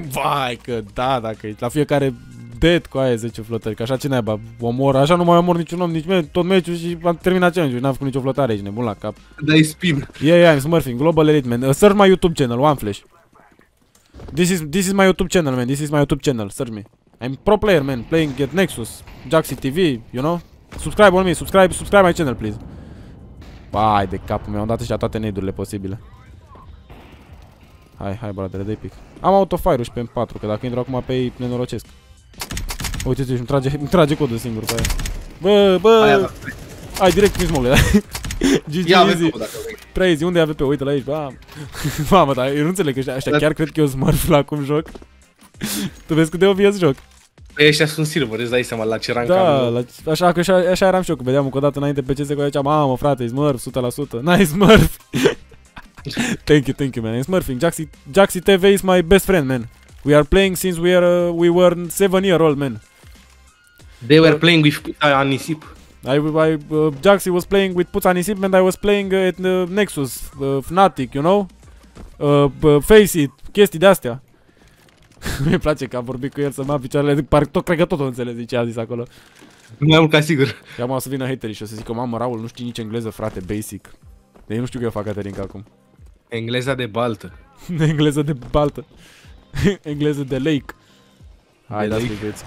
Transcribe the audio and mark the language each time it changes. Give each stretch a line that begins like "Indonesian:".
Romanian: Vai că da, dacă la fiecare dead cu aia 10 flotări, că așa ce naiba, omor, așa nu mai omor niciun om, nici mai, tot meciul și am terminat challenge-ul, n-am făcut nicio flotare aici, nebun la cap. Dai spin.
English: Yeah, yeah, I'm smurfing, Global Elite, man. Search my YouTube channel, One Flash. This is my YouTube channel, man, this is my YouTube channel, search me. I'm pro player, man, playing Get Nexus, Jaxi TV, you know? Subscribe on me, subscribe my channel, please.
Romanian: Vai de capul meu, am dat ăștia toate nade-urile posibile. Hai, brother, dai pic. Am autofire-ul și pe M4, că dacă intru acum pe ei, nenorocesc. Uite, îmi trage codul singur pe aia. Bă! Ai direct prin smog-ul ăla.
English: GG, easy.
Romanian: Prea easy, unde e AVP? Uite-l aici, bă. Mamă, dar eu nu înțeleg că ăștia chiar cred că eu smurf la cum joc. Tu vezi cât de obvious joc. Păi ăștia sunt silver, îți dai seama la ce rank am. Da, așa eram și eu, că vedeam încă o dată înainte pe CS cu aia, mamă, frate, e smurf, 100%. N-ai smurf.
English: Thank you, man. I'm smurfing. Jaxi TV is my best friend, man. We are playing since we were 7 years old, man. They were playing with Puta Nisip. Jaxi was playing with Puta Nisip and I was playing at Nexus, Fnatic, you know?
Romanian: Face it, chestii de-astea. Mi-e place că am vorbit cu el să-mi am picioarele, parcă tot, cred că tot o înțeles ce a zis acolo. Nu am ca sigur. Iar mă, o să vină haterii și o să zic că, mamă, Raul, nu știi nici engleză, frate, basic. Deci nu știu că eu fac Caterinca acum. Engleza de baltă. Engleza de baltă. Engleză de lake. Hai, dați că veți.